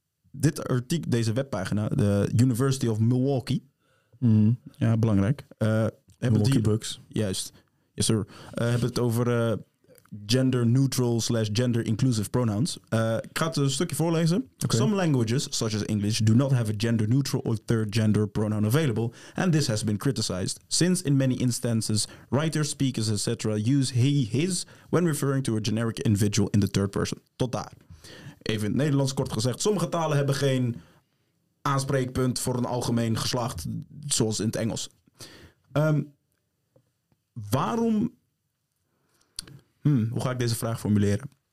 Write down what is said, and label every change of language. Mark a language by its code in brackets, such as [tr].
[nl] Dit artikel, deze webpagina, de University of Milwaukee. Mm. Ja, belangrijk. Milwaukee Bucks. Juist. [en] Yes, sir. [nl] Hebben het over gender-neutral/gender-inclusive pronouns. Ik ga het een stukje voorlezen. [en] Okay. Some languages, such as English, do not have a gender-neutral or third-gender pronoun available, and this has been criticized, since in many instances, writers, speakers, etc. use he, his, when referring to a generic individual in the third person. [nl] Tot daar. Even in het Nederlands kort gezegd, sommige talen hebben geen aanspreekpunt voor een algemeen geslacht, zoals in het Engels. Waarom... hoe ga ik deze vraag formuleren?